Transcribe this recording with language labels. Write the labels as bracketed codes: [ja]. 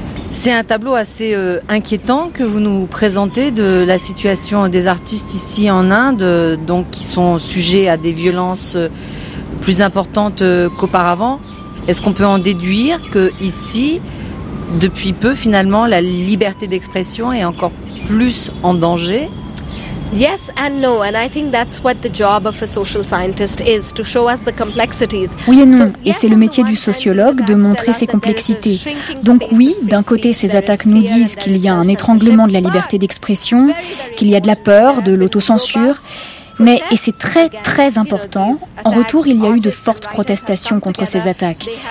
[fr] C'est un tableau assez inquiétant que vous nous présentez de la situation des artistes ici en Inde, donc qui sont sujets à des violences plus importantes qu'auparavant. Est-ce qu'on peut en déduire que ici, depuis peu, finalement, la liberté d'expression est encore plus en danger ? [en] Yes and no, and I think that's what the job of a social scientist is, to show us the complexities. [fr] Oui et non, et c'est le métier du sociologue de montrer ces complexités. Donc oui, d'un côté, ces attaques nous disent qu'il y a un étranglement de la liberté d'expression, qu'il y a de la peur, de l'autocensure. Mais, et c'est très très important, en retour il y a eu de fortes protestations contre ces attaques.